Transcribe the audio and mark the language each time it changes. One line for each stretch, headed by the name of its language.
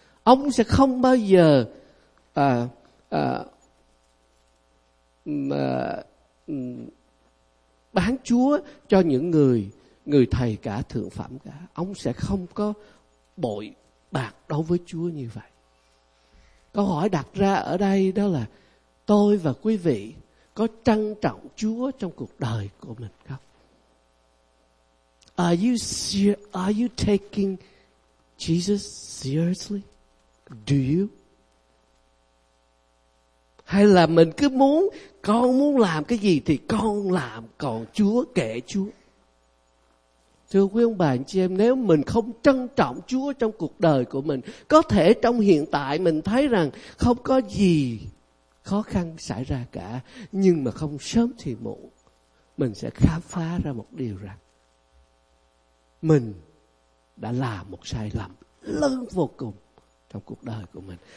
Vietnamese: Ông sẽ không bao giờ bán Chúa cho những người thầy cả, thượng phẩm cả. Ông sẽ không có bội bạc đối với Chúa như vậy. Câu hỏi đặt ra ở đây đó là, tôi và quý vị có trân trọng Chúa trong cuộc đời của mình không?
English: Are you taking Jesus seriously? Do you?
Vietnamese: Hay là mình cứ muốn, con muốn làm cái gì thì con làm, còn Chúa kệ Chúa. Thưa quý ông bà anh chị em, nếu mình không trân trọng Chúa trong cuộc đời của mình, có thể trong hiện tại mình thấy rằng không có gì khó khăn xảy ra cả, nhưng mà không sớm thì muộn, mình sẽ khám phá ra một điều rằng mình đã làm một sai lầm lớn vô cùng trong cuộc đời của mình.